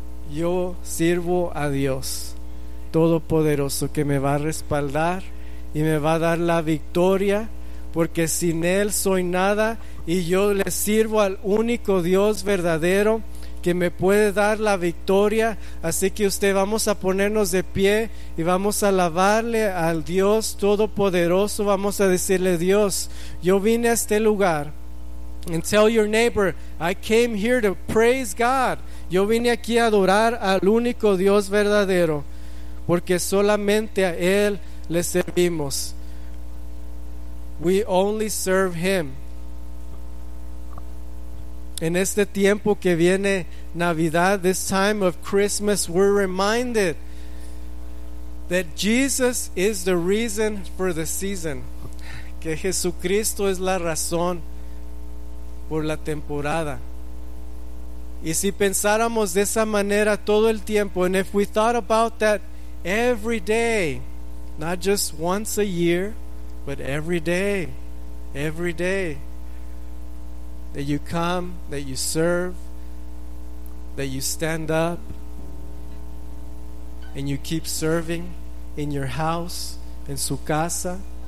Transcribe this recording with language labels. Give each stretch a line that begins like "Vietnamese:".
Spanish: yo sirvo a Dios Todopoderoso, que me va a respaldar y me va a dar la victoria, porque sin Él soy nada, y yo le sirvo al único Dios verdadero que me puede dar la victoria. Así que usted, vamos a ponernos de pie y vamos a alabarle al Dios Todopoderoso. Vamos a decirle, Dios, yo vine a este lugar.
English: And tell your neighbor, I came here to praise God.
Spanish: Yo vine aquí a adorar al único Dios verdadero, porque solamente a Él le servimos.
English: We only serve Him.
Spanish: En este tiempo que viene Navidad,
English: this time of Christmas, we're reminded that Jesus is the reason for the season.
Spanish: Que Jesucristo es la razón por la temporada. Y si pensáramos de esa manera todo el tiempo,
English: and if we thought about that every day, not just once a year, but every day, that you come, that you serve, that you stand up, and you keep serving in your house, in
Spanish: su casa.